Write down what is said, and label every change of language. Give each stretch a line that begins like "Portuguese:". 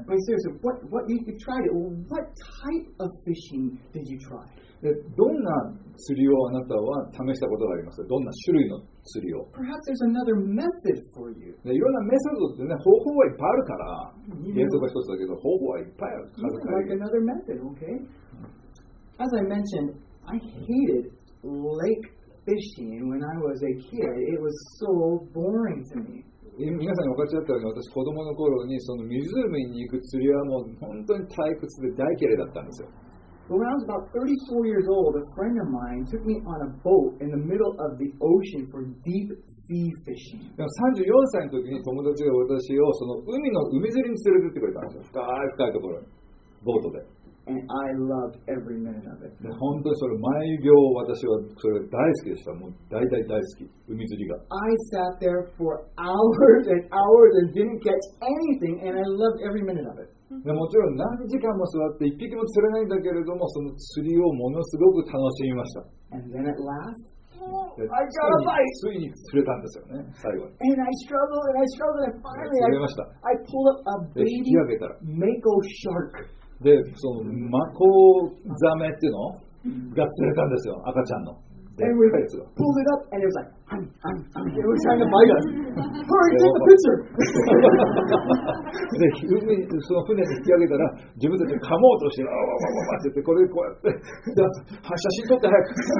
English: But seriously, what you tried? What type of fishing did you try?
Japanese: どんな釣りをあなたは試したことがありますか。どんな種類の釣りを。
English: Perhaps there's another method for you.
Japanese: いろんなメソッドってね、方法はいっぱいあるから。原則は一つだけど、方法はいっぱいある。
English: Like another method, okay? As I mentioned, I hated lake fishing when I was a kid. It was so boring to me.
Japanese: 皆さんにお勝ちだったように、私、子供の頃にその湖に行く釣りはもう本当に退屈で大嫌いだったんですよ。
English: But when I was about 34 years old, a friend of mine took me on a boat in the middle of the ocean for deep sea fishing.
Japanese: 34歳の時に友達が私をその海の海釣りに連れてってくれたんですよ。深い深いところに、ボートで。
English: And I loved every minute of it.
Japanese: 本当にそれ毎秒私はそれ大好きでした。もう大大大好き、海釣りが。
English: I sat there for hours and hours and didn't catch anything, and I loved every minute of it.
Japanese: もちろん何時間も座って一匹も釣れないんだけれどもその釣りをものすごく楽しみました。
English: And then at last, I got a bite.
Japanese: ついに釣れたんですよね、最後に。
English: And I struggled and I struggled and finally
Japanese: 釣れました。
English: I pulled up a baby mako shark.
Japanese: で、そのマコザメっていうのが釣れたんですよ、赤ちゃんの。
English: And we pulled it up and it was like, I'm, it was trying to bite us. Hurry, take the picture!
Japanese: で、海にその船に引き上げたら、自分たち噛もうとして、ああ、わわわわって言って、これでこうやって、じゃあ、写真撮って早く。